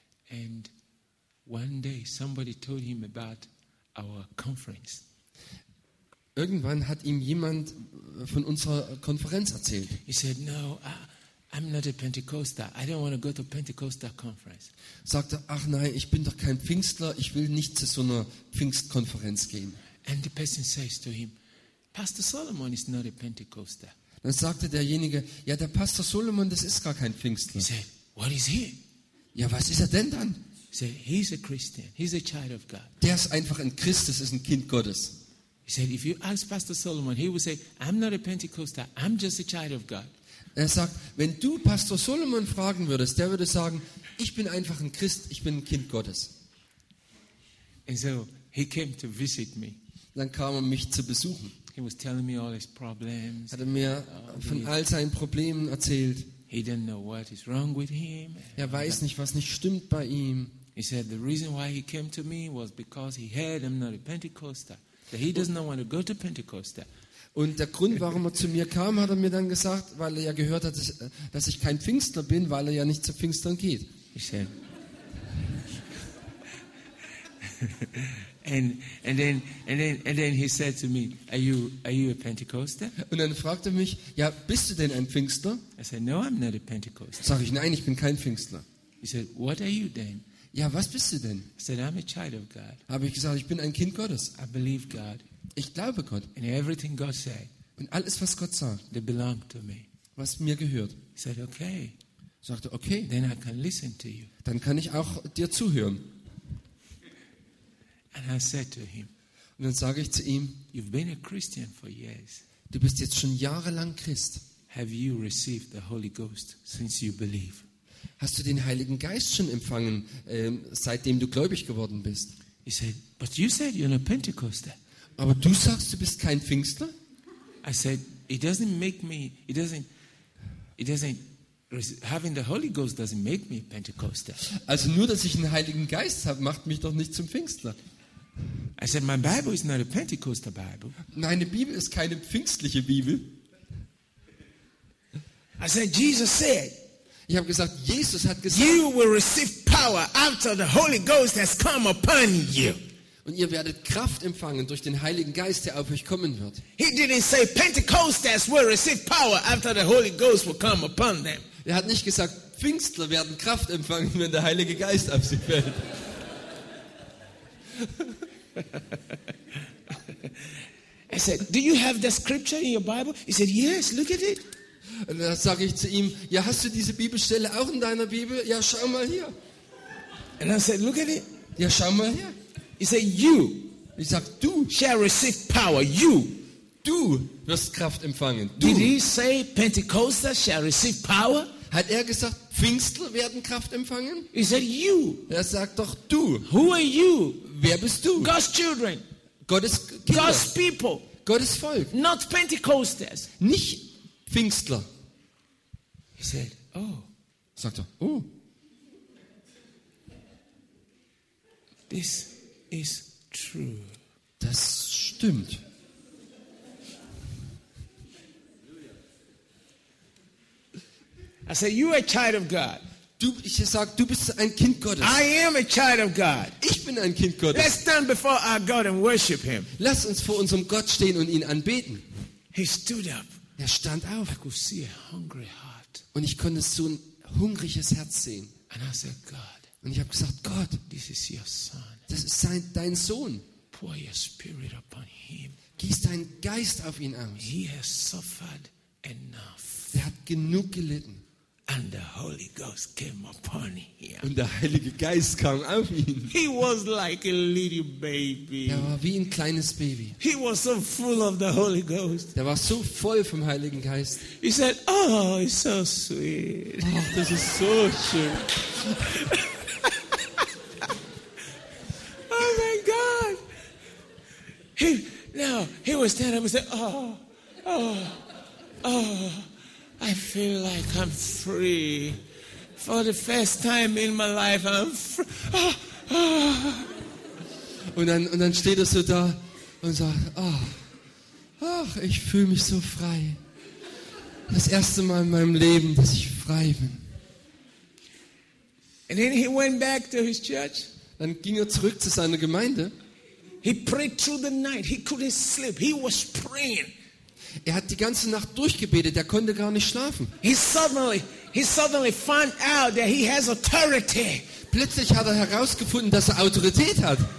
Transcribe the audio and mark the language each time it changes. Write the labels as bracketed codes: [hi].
[en] And one day somebody told him about our conference. [de] Irgendwann hat ihm jemand von unserer Konferenz erzählt. [en] He said, "No, I'm not a Pentecostal. I don't want to go to Pentecostal conference." [de] Sagte, ach nein, ich bin doch kein Pfingstler. Ich will nicht zu so einer Pfingstkonferenz gehen. [en] And the person says to him, "Pastor Solomon is not a Pentecostal." [de] Dann sagte derjenige, ja, der Pastor Solomon, das ist gar kein Pfingstler. [en] He said, "What is he?" [de] Ja, was ist er denn dann? [en] He's a Christian. He's a child of God. [de] Der ist einfach ein Christ. Das ist ein Kind Gottes. [en] He said, if you ask Pastor Solomon, he would say, I'm not a Pentecostal. I'm just a child of God. [de] Er sagt, wenn du Pastor Solomon fragen würdest, der würde sagen, ich bin einfach ein Christ. Ich bin ein Kind Gottes. [en] And so he came to visit me. [de] Dann kam er mich zu besuchen. [en] He was telling me all his problems. [de] Hat er mir von all seinen Problemen erzählt. [en] He didn't know what is wrong with him. [de] Er weiß nicht, was nicht stimmt bei ihm. [en] He said the reason why he came to me was because he heard I'm not a Pentecostal. That he does not want to go to Pentecostal. [de] Und der Grund, warum er zu mir kam, hat er mir dann gesagt, weil er ja gehört hat, dass ich kein Pfingstler bin, weil er ja nicht zu Pfingstern geht. [en] He said. And then he said to me, are you a Pentecostal? [de] Und dann fragte er mich, ja, bist du denn ein Pfingstler? [en] I said, no, I'm not a Pentecostal. [de] Sag ich, nein, ich bin kein Pfingstler. [en] He said, what are you then? [de] Ja, was bist du denn? [en] I said, I'm a child of God. [de] Habe ich gesagt, ich bin ein Kind Gottes. [en] I believe God. [de] Ich glaube Gott. [en] And everything God said. [de] Und alles, was Gott sagt. [en] They belong to me. [de] Was mir gehört. [en] He said, okay. [de] Sagte, okay. [en] Then I can listen to you. [de] Dann kann ich auch dir zuhören. [en] And I said to him, [de] und dann sage ich zu ihm, [en] you've been a Christian for years. [de] Du bist jetzt schon jahrelang Christ. [en] Have you received the Holy Ghost since you believe? [de] Hast du den Heiligen Geist schon empfangen, seitdem du gläubig geworden bist? [en] He said, but you said you're not Pentecostal. [de] Aber du sagst, du bist kein Pfingstler? [en] I said, having the Holy Ghost doesn't make me a Pentecostal. [de] Also nur, dass ich einen Heiligen Geist habe, macht mich doch nicht zum Pfingstler. [en] I said, my Bible is not a Pentecostal Bible. [de] Nein, die Bibel ist keine pfingstliche Bibel. [en] I said, Jesus said. [de] Ich habe gesagt, Jesus hat gesagt. [en] You will receive power after the Holy Ghost has come upon you. [de] Und ihr werdet Kraft empfangen durch den Heiligen Geist, der auf euch kommen wird. [en] He didn't say Pentecostals will receive power after the Holy Ghost will come upon them. [de] Er hat nicht gesagt, Pfingstler werden Kraft empfangen, wenn der Heilige Geist auf sie fällt. [en] I said, do you have the scripture in your Bible? He said, yes, look at it. [de] Und dann sage ich zu ihm, ja, hast du diese Bibelstelle auch in deiner Bibel? Ja, schau mal hier. [en] And I said, look at it. [de] Ja, schau mal hier. [en] He said, you. [de] Ich sag, du. [en] Shall receive power, you. [de] Du wirst Kraft empfangen. Du. [en] Did he say Pentecostal shall receive power? [de] Hat er gesagt, Pfingstler werden Kraft empfangen? [en] He said, you. [de] Er sagt doch, du. [en] Who are you? [de] Wer bist du? [en] God's children. [de] Gottes Kinder. [en] God's people. [de] Gottes Volk. [en] Not Pentecostals. [de] Nicht Pfingstler. [en] He said, oh. [de] Sagt er, oh. [en] This is true. [de] Das stimmt. [en] I said, you are a child of God. [de] Ich sage, du bist ein Kind Gottes. [en] I am a child of God. [de] Ich bin ein Kind Gottes. [en] Let's stand before our God and worship him. [de] Lass uns vor unserem Gott stehen und ihn anbeten. [en] He stood up. [de] Er stand auf. [en] I could see a hungry heart. [de] Und ich konnte so ein hungriges Herz sehen. [en] And I said, God, [de] und ich habe gesagt, Gott, [en] this is your son. [de] Das ist sein, dein Sohn. [en] Pour your spirit upon him. [de] Gieß deinen Geist auf ihn aus. [en] He has suffered enough. [de] Er hat genug gelitten. [en] And the Holy Ghost came upon him. [de] Und der Heilige Geist kam auf ihn. [en] He was like a little baby. [de] Er war wie ein kleines Baby. [en] He was so full of the Holy Ghost. [de] Er war so voll vom Heiligen Geist. [en] He said, "Oh, it's so sweet." [de] Ach, das ist so schön. [en] Oh my God! He was standing up and said, "Oh, oh, oh." I feel like I'm free. For the first time in my life, I'm free. [de] Und dann steht er so da und sagt, ach, ich fühle mich so frei. Das erste Mal in meinem Leben, dass ich frei bin. [en] And then he went back to his church. [de] Dann ging er zurück zu seiner Gemeinde. [en] He prayed through the night. He couldn't sleep. He was praying. [de] Er hat die ganze Nacht durchgebetet, er konnte gar nicht schlafen. [en] He suddenly found out that he has authority. [de] Plötzlich hat er herausgefunden, dass er Autorität hat.